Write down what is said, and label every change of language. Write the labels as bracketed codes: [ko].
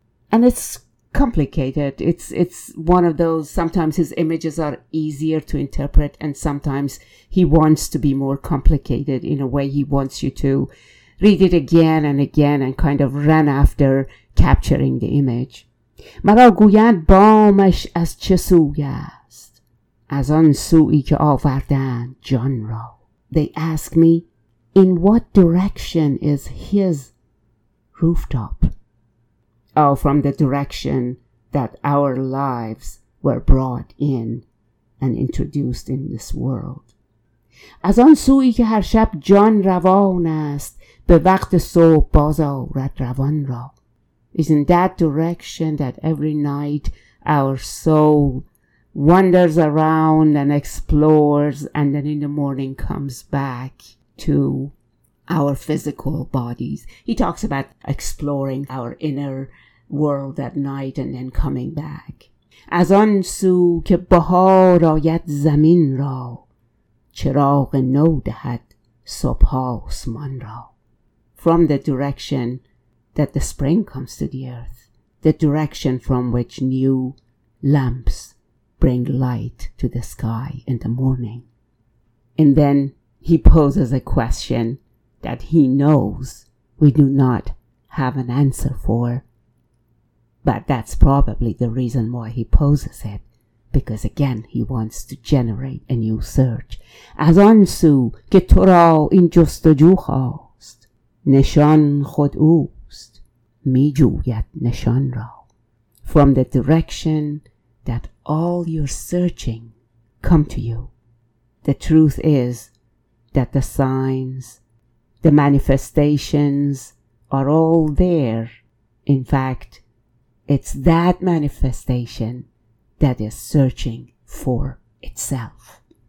[en] And it's complicated. It's one of those, sometimes his images are easier to interpret, and sometimes he wants to be more complicated in a way he wants you to read it again and again and kind of run after capturing the image. [fa] مرا گویند بامش از چه سوی است، از آن سویی که آوردند جان را. [en] They ask me, in what direction is his rooftop? Oh, from the direction that our lives were brought in and introduced in this world. [fa] از آن سویی که هر شب جان روان است، به وقت صبح باز آورد روان را. [en] Is in that direction that every night our soul wanders around and explores, and then in the morning comes back to our physical bodies. He talks about exploring our inner world at night and then coming back. [fa] از آن سو که بهار آید زمین را، چراغ نو دهد صبح آسمان را. [en] From the direction that the spring comes to the earth, the direction from which new lamps bring light to the sky in the morning. And then he poses a question that he knows we do not have an answer for, but that's probably the reason why he poses it, because again he wants to generate a new search. [fa] از آن سو که تو را این جستجو خواست، نشان خود او می جوید نشان را. [en] From the direction that all your searching come to you, the truth is that the signs, the manifestations are all there. In fact, it's that manifestation that is searching for itself.